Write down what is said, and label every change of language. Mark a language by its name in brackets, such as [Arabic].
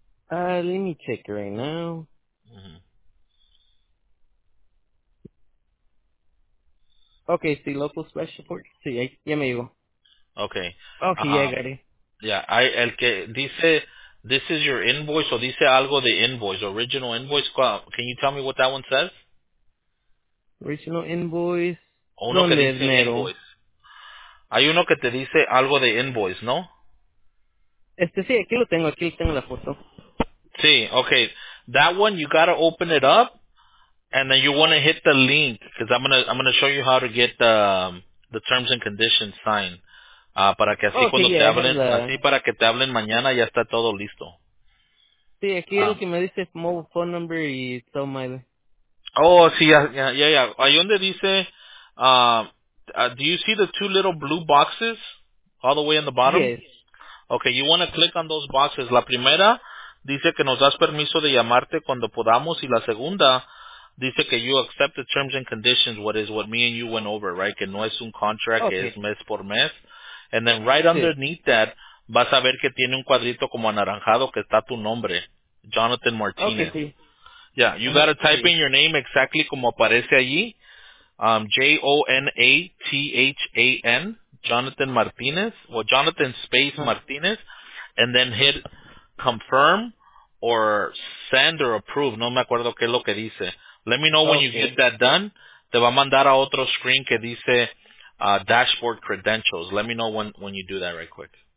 [English] Let me check right now. Mm-hmm. Okay, see local special support. [Spanish] Sí, ya me llegó. Okay. [English] Okay, ya got it. Yeah, el que dice this is your invoice o dice algo de invoice, original invoice. Can you tell me what that one says? Original invoice. [Spanish] O uno que dice enero. Invoice. Hay uno que te dice algo de invoice, ¿no? Sí, aquí lo tengo la foto. Sí, okay. [English] That one, you gotta open it up, and then you wanna hit the link, because I'm gonna show you how to get the terms and conditions signed. [Spanish] Para que así okay, cuando [English] yeah, [Spanish] te hablen, así para que te hablen mañana, ya está todo listo. Sí, aquí lo que me dice es [English] mobile phone number [Spanish] y todo my... Oh, sí, ya. Ahí donde dice, [English] do you see the two little blue boxes all the way in the bottom? Yes. Okay, you want to click on those boxes. [Spanish] La primera dice que nos das permiso de llamarte cuando podamos, y la segunda dice que [English] you accept the terms and conditions, what is what me and you went over, right? [Spanish] Que no es un contract, okay. Que es mes por mes. [English] And then right underneath that, [Spanish] vas a ver que tiene un cuadrito como anaranjado que está tu nombre, Jonathan Martinez. Okay, sí. [English] Yeah, you gotta type in your name exactly [Spanish] como aparece allí. [English] J-O-N-A-T-H-A-N, Jonathan Martinez, well, Jonathan Space Martinez, and then hit confirm or send or approve. [Spanish] No me acuerdo qué es lo que dice. [English] Let me know when you get that done. [Spanish] Te va a mandar a otro screen que dice dashboard credentials. [English] Let me know when you do that right quick.